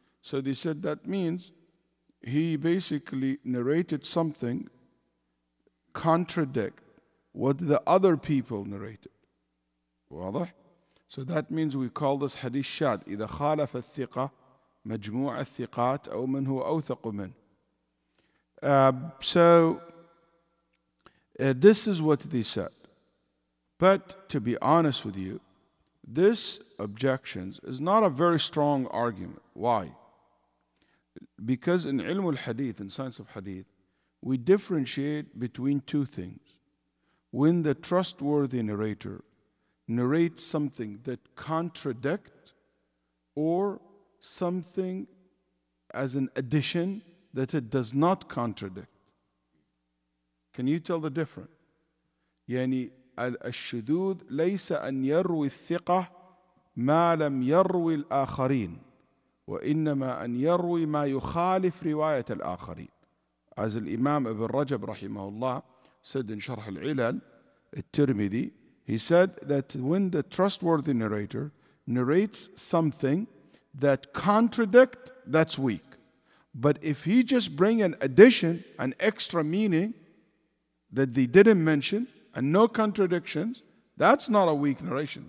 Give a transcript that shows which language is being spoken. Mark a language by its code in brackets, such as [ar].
[en] So they said that means he basically narrated something contradict what the other people narrated. [ar] واضح؟ [en] So that means we call this hadith shad. [ar] إذا خالف الثقة مجموع الثقات أو من هو أوثق من. [en] So this is what they said. But to be honest with you, this objection is not a very strong argument. Why? Because in علم الحديث, in science of hadith, we differentiate between two things. When the trustworthy narrator narrates something that contradicts, or something as an addition that it does not contradict. Can you tell the difference? [ar] يعني الشذوذ ليس أن يروي الثقة ما لم يروي الآخرين وإنما أن يروي ما يخالف رواية الآخرين. [en] As Imam Ibn Rajab rahimahullah said in Sharh al-Ilal al-Tirmidhi, he said that when the trustworthy narrator narrates something that contradicts, that's weak. But if he just bring an addition, an extra meaning that they didn't mention and no contradictions, that's not a weak narration.